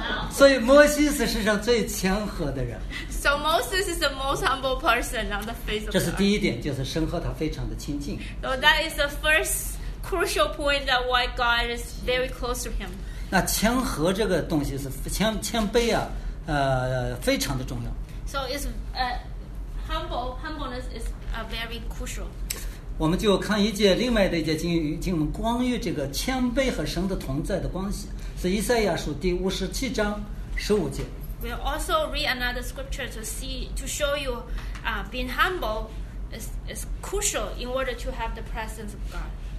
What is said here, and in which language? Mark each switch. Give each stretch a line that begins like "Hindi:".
Chinese: 所以摩西是世上最谦和的人。
English: So Moses is the most humble person on the face of earth.
Chinese: 这是第一点，就是神和他非常的亲近。
English: So that is the first crucial point that why God is very close to him.
Chinese: 那谦和这个东西是谦卑啊，非常的重要。
English: So it's humbleness is very crucial.
Chinese: 我们就看一节另外的一节经文，关于这个谦卑和神的同在的关系。是以赛亚书第57:15。
English: We'll also read another scripture to show you, being humble is crucial in order to have the presence of God.